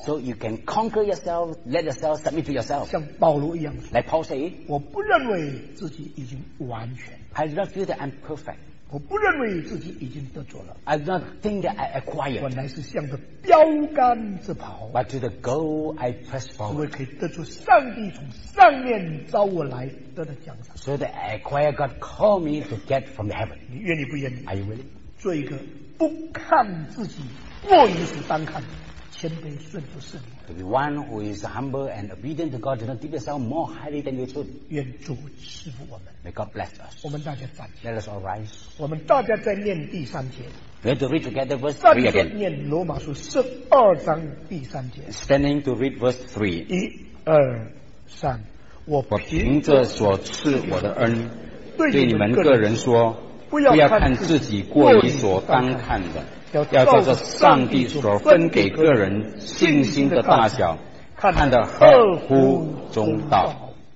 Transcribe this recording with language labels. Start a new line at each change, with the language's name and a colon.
English: So you can conquer yourself, let yourself submit to yourself.
Chinese: 像保罗一样。
English: Like Paul said.
Chinese: 我不认为自己已经完全。
English: I do not feel that I'm perfect.
Chinese: 我不认为自己已经得着了。
English: I do not think that I acquired.
Chinese: 我乃是向着标杆直跑。
English: But to the goal I press forward.
Chinese: 我可以得出上帝从上面招我来得的奖赏。
English: So that I acquire God call me to get from the heaven.
Chinese: 你愿意不愿意？
English: Are you willing?
Chinese: 做一个不看自己，过于是单看谦卑顺服圣灵。
English: To be one who is humble and obedient to God, do not give yourself more highly than you should.
Chinese: 愿主赐福我们。
English: May God bless us.
Chinese: 我们大家站起
English: 来。Let us all rise.
Chinese: 我们大家再念第三节。
English: We have to read together verse 3 again.
Chinese: 念罗马书十二章第三节。
English: Standing to read verse 3.
Chinese: 一、二、三。我凭着所赐我的恩，对你们个人说，不要看自己过于所当看的，要照着上帝所分给个人信心的大小，看得合乎中道。